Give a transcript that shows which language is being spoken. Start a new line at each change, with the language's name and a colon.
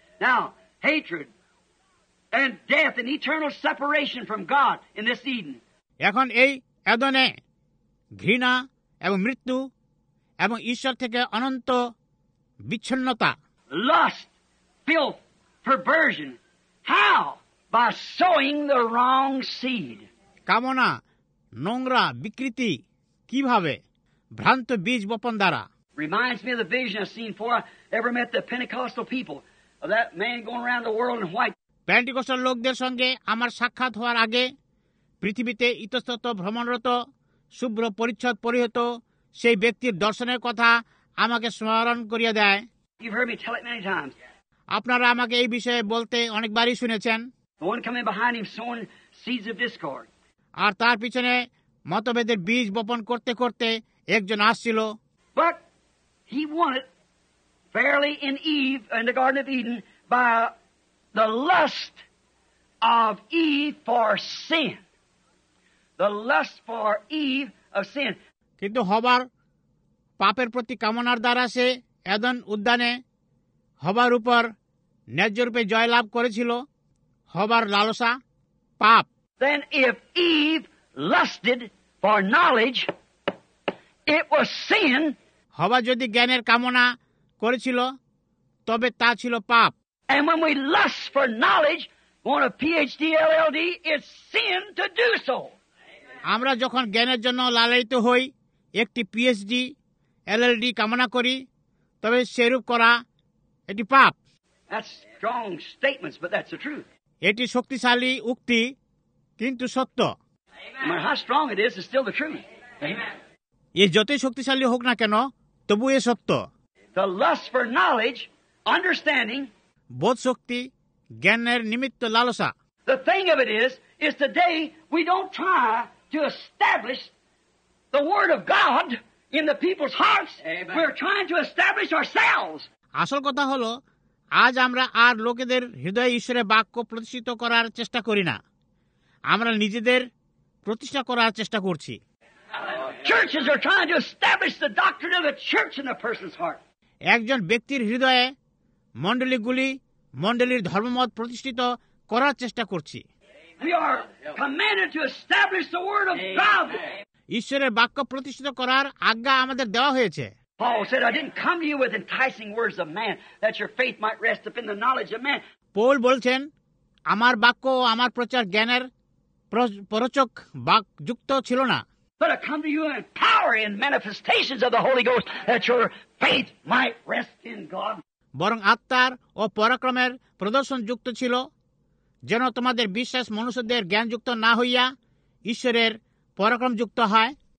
English: Now, hatred and death and eternal separation from God in this Eden.
Bangla: এখন এই এদনে ঘৃণা এবং মৃত্যু এবং ঈশ্বর থেকে অনন্ত বিচ্ছিন্নতা
English: Lust, filth, perversion. How? By sowing the wrong seed.
Bangla: কামনা নোংরা বিকৃতি কিভাবে ভ্রান্ত বীজ বপন দ্বারা
English: Reminds me of the vision I've seen before I ever met the Pentecostal people of that man going around the world in white.
Bangla: পেন্টিকোস্টাল লোকদের সঙ্গে আমার সাক্ষাৎ হওয়ার আগে পৃথিবীতে ইতস্তত ভ্রমণরত শুভ্র পরিচ্ছদ পরিহত সেই ব্যক্তির দর্শনের কথা আমাকে স্মরণ করিয়ে দেয়
English: You've heard me tell it many times.
Bangla: আপনারা আমাকে এই বিষয়ে বলতে অনেকবারই শুনেছেন
English: The one coming behind him sowing seeds of discord.
Bangla: আর তার পিছনে মতভেদের বীজ বপন করতে করতে একজন আসছিল
English: But he won it fairly in Eve in the Garden of Eden by the lust of Eve for sin. The lust for Eve of sin.
Bangla: কিন্তু হবার পাপের প্রতি কামনার দ্বারা সে এদেন উদ্যানে হবার উপর ন্যায্যরূপে জয়লাভ করেছিল হবার লালসা পাপ
English: Then if Eve lusted for knowledge, It was sin.
Bangla: হওয়া যদি জ্ঞানের কামনা করেছিল তবে তা ছিল পাপ।
English: And when we lust for knowledge, want a PhD, LLD, it's sin to do so.
Bangla: আমরা যখন জ্ঞানের জন্য লালায়িত হই একটি PhD, LLD কামনা করি তবে সেরূপ করা এটি পাপ।
English: That's strong statements, but that's the truth.
Bangla: এটি শক্তিশালী উক্তি কিন্তু সত্য।
English: Amen. How strong it is still the truth. Amen.
Bangla: এ যতই শক্তিশালী হোক না কেন তবু এ সত্য।
English: The lust for knowledge, understanding,
Bangla: বোধ শক্তি জ্ঞানের নিমিত্ত লালসা।
English: The thing of it is today we don't try to establish the word of God in the people's hearts. Amen. We're trying to establish ourselves.
Bangla: আসল কথা হলো আজ আমরা আর লোকেদের হৃদয়ে ঈশ্বরের বাক্য প্রতিষ্ঠিত করার চেষ্টা করি না, আমরা নিজেদের প্রতিষ্ঠা করার চেষ্টা করছি।
English: Churches are trying to establish the doctrine of the church in a person's heart.
Bangla: একজন ব্যক্তির হৃদয়ে মণ্ডলীগুলি মণ্ডলীর ধর্মমত প্রতিষ্ঠিত করার চেষ্টা করছি।
English: We are commanded to establish the word of God.
Bangla: ঈশ্বরের বাক্য প্রতিষ্ঠিত করার আজ্ঞা আমাদের দেওয়া হয়েছে।
English: Paul said, I didn't come to you with enticing words of man, that your faith might rest upon the knowledge of man.
Bangla: Paul বলছেন, আমার বাক্য ও আমার প্রচার জ্ঞানের প্ররোচক যুক্ত ছিল না।
English: But I come to you in power and manifestations of the Holy Ghost, that your faith might rest in God.
Bangla: বরং আত্মার ও পরাক্রমের প্রদর্শন যুক্ত ছিল, যেন তোমাদের বিশ্বাস মনুষ্যদের জ্ঞান যুক্ত না হইয়া ঈশ্বরের পরাক্রম যুক্ত হয়।